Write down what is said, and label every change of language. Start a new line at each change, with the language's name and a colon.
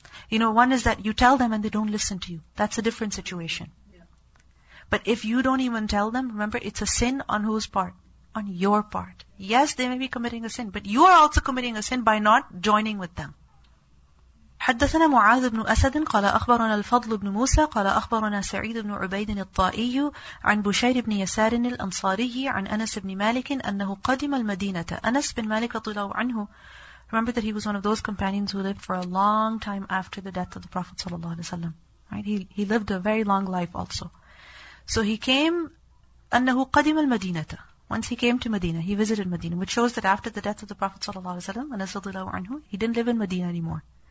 English: You know, one is that you tell them and they don't listen to you. That's a different situation. Yeah. But if you don't even tell them, remember, it's a sin on whose part? On your part. Yes, they may be committing a sin, but you are also committing a sin by not joining with them.
Arabic: حدثنا معاذ بن أسد قال أخبرنا الفضل بن موسى قال أخبرنا سعيد بن عبيد الطائي عن بشير بن يسار الأنصاري عن أنس بن مالك أنه قدم المدينة. أنس بن مالك رضي الله عنه.
English: Remember that he was one of those companions who lived for a long time after the death of the Prophet
Arabic: صلى الله عليه وسلم.
English: Right? He lived a very long life also. So he came.
Arabic: أنه قدم المدينة.
English: Once he came to Medina, he visited Medina, which shows that after the death of the Prophet ﷺ, Anas
Arabic: radiallahu anhu,
English: he didn't live in Medina anymore.